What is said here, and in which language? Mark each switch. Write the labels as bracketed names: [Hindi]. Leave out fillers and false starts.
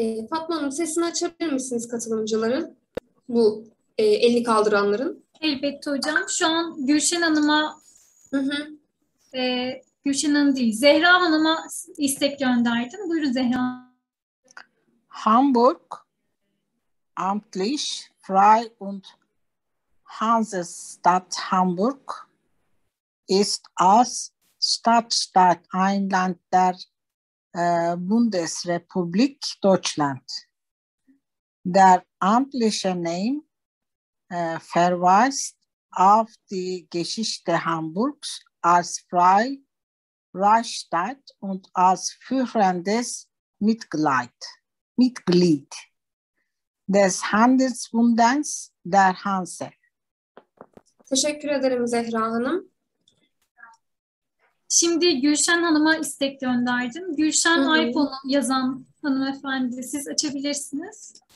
[Turkish] Fatma Hanım sesini açabilir misiniz katılımcıların, bu elini kaldıranların? Elbette hocam. Şu an Gülşen Hanım'a, Gülşen Hanım değil, Zehra Hanım'a istek gönderdim. Buyurun Zehra Hanım. [German] Hamburg, amtlich, frei und Hansestadt Hamburg ist als Stadtstaat ein Land der Bundesrepublik Deutschland. Der amtliche Name verweist auf die Geschichte Hamburgs als Freistaat und als führendes Mitglied des Handelsbundes der Hanse. [Turkish] Teşekkür ederim Zehra Hanım. Şimdi Gülşen Hanım'a istek gönderdim. Gülşen iPhone'u yazan hanımefendi, siz açabilirsiniz.